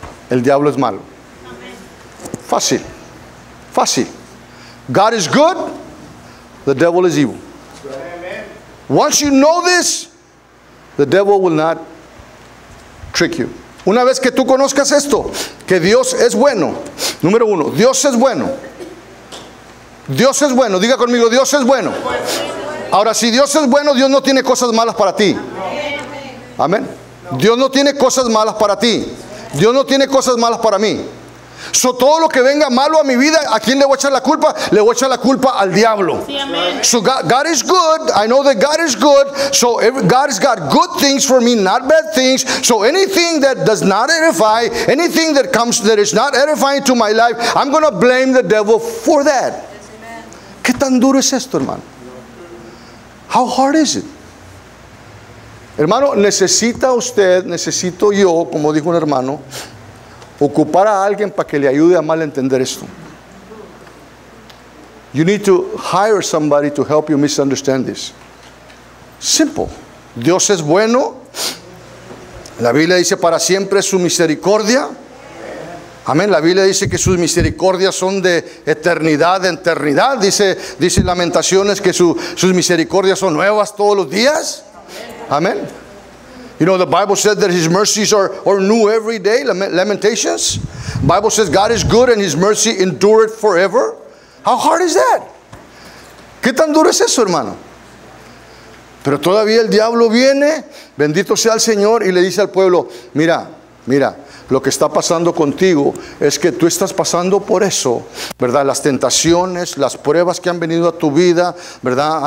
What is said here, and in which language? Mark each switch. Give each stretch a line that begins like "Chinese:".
Spanish: El diablo es malo. Amén. Fácil. Fácil.
English: God is good. The devil is evil. Amen. Once you know this, the devil will not trick you.
Spanish: Una vez que tú conozcas esto, que Dios es bueno. Número uno, Dios es bueno. Dios es bueno. Diga conmigo, Dios es bueno. Ahora, si Dios es bueno, Dios no tiene cosas malas para ti. Amén. Dios no tiene cosas malas para ti. Dios no tiene cosas malas para mí. So, todo lo que venga malo a mi vida, ¿a quién le voy a echar la culpa? Le voy a echar la culpa al diablo. Sí,
English: so God is good. I know that God is good. So God has got good things for me, not bad things. So anything that does not edify, anything that comes that is not edifying to my life, I'm going to blame the devil for that. Yes,
Spanish: ¿qué tan duro es esto, hermano?
English: How hard is it?
Spanish: Hermano, necesita usted, necesito yo, como dijo un hermano, ocupar a alguien para que le ayude a mal entender esto.
English: You need to hire somebody to help you misunderstand this.
Spanish: Simple. Dios es bueno. La Biblia dice para siempre su misericordia. Amén. La Biblia dice que sus misericordias son de eternidad en eternidad. Dice Lamentaciones que sus misericordias son nuevas todos los días. Amén.
English: You know, the Bible said that his mercies are new every day. Lamentations. Bible says God is good and his mercy endureth forever. How hard is that?
Spanish: ¿Qué tan duro es eso, hermano? Pero todavía el diablo viene, bendito sea el Señor, y le dice al pueblo, mira, lo que está pasando contigo es que tú estás pasando por eso, ¿verdad? Las tentaciones, las pruebas que han venido a tu vida, ¿verdad?